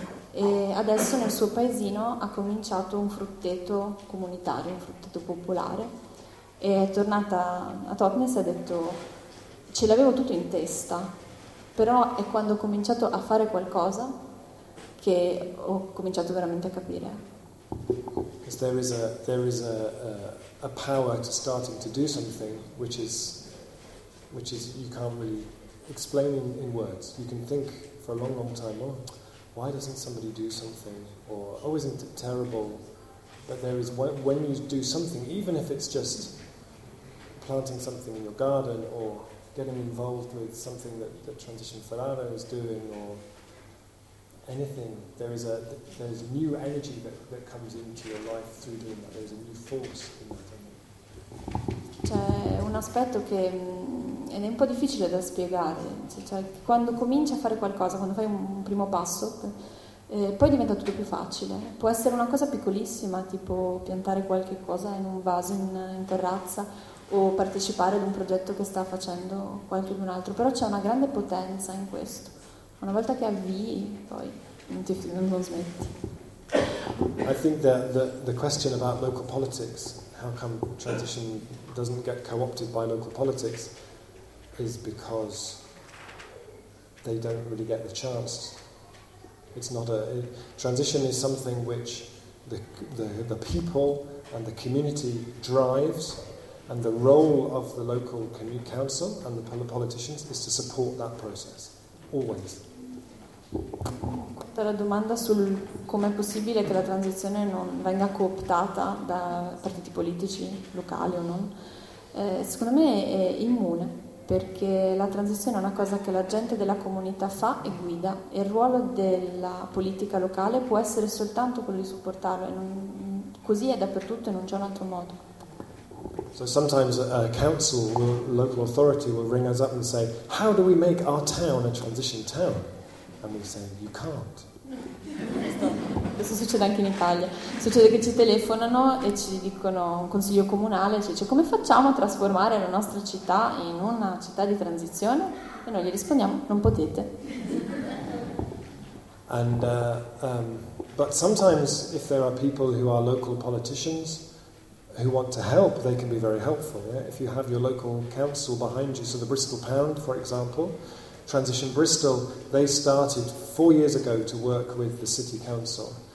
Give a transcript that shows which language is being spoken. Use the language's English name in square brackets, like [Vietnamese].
[Italian] E adesso nel suo paesino ha cominciato un frutteto comunitario, un frutteto popolare, e è tornata a Totnes e ha detto ce l'avevo tutto in testa, però è quando ho cominciato a fare qualcosa che ho cominciato veramente a capire. [English] because there is a power to starting to do something which is you can't really explain in words. You can think for a long time, oh, why doesn't somebody do something, or oh, isn't it terrible? But there is, when you do something, even if it's just planting something in your garden or getting involved with something that Transition Ferraro is doing or anything, there is a new energy that comes into your life through doing that. There's a new force in that energy. [Italian] C'è un aspetto che ed è un po' difficile da spiegare. Cioè, quando cominci a fare qualcosa, quando fai un primo passo, poi diventa tutto più facile. Può essere una cosa piccolissima, tipo piantare qualche cosa in un vaso in terrazza, o partecipare ad un progetto che sta facendo qualcun altro, però c'è una grande potenza in questo. Una volta che avvii, poi non smetti. [English] I think that the question about local politics, how come transition doesn't get co-opted by local politics, is because they don't really get the chance. It's not a transition is something which the people and the community drives. And the role of the local community council and the politicians is to support that process, always. [Italian] La domanda sul come è possibile che la transizione non venga cooptata da partiti politici locali o non, secondo me è immune, perché la transizione è una cosa che la gente della comunità fa e guida, e il ruolo della politica locale può essere soltanto quello di supportarlo, e non, così è dappertutto e non c'è un altro modo. [English] So sometimes a council or local authority will ring us up and say, how do we make our town a transition town? And we say, you can't. [Italian] Questo succede anche in Italia. Succede che ci telefonano e ci dicono, un consiglio comunale ci dice, come facciamo a trasformare la nostra città in una città di transizione? E noi gli rispondiamo, non potete. [English] And but sometimes if there are people who are local politicians who want to help, they can be very helpful. Yeah? If you have your local council behind you, so the Bristol Pound, for example, Transition Bristol, they started 4 years ago to work with the city council.